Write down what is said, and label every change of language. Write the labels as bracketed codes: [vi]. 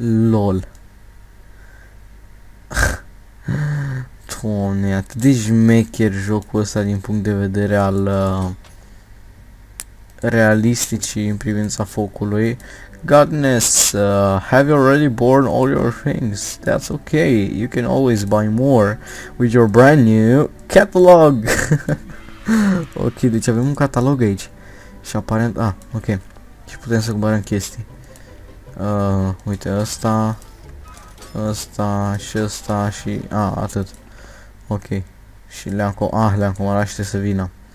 [ro] Lol. Doamne, atât de șmecher jocul ăsta din punct de vedere al... realistici în privința focului. [en] Godness, have you already borne all your things? That's okay, you can always buy more with your brand new catalog. [ro] Ok, deci avem un catalog aici. Și aparent, ok. Și putem să cumpărăm chestii. Uite, ăsta și ăsta și, atât. Ok. Și le-am cumpărat și trebuie să vină.